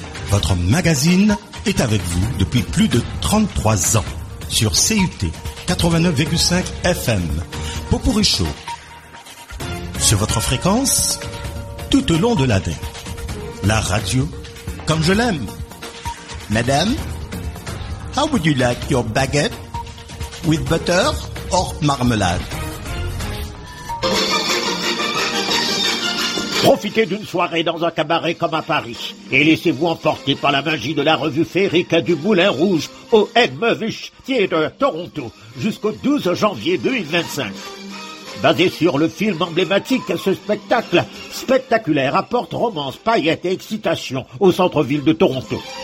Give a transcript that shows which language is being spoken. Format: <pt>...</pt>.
<fr>Votre magazine est avec vous depuis plus de 33 ans. Sur CUT 89,5 FM, Popourri Show, sur votre fréquence, tout au long de l'année, la radio, comme je l'aime.</fr> <en>Madame, how would you like your baguette, with butter or marmelade?</en> <fr>Profitez d'une soirée dans un cabaret comme à Paris et laissez-vous emporter par la magie de la revue féerique du Moulin Rouge au Edmovich Theatre Toronto jusqu'au 12 janvier 2025. Basé sur le film emblématique, ce spectacle spectaculaire apporte romance, paillettes et excitation au centre-ville de Toronto.</fr>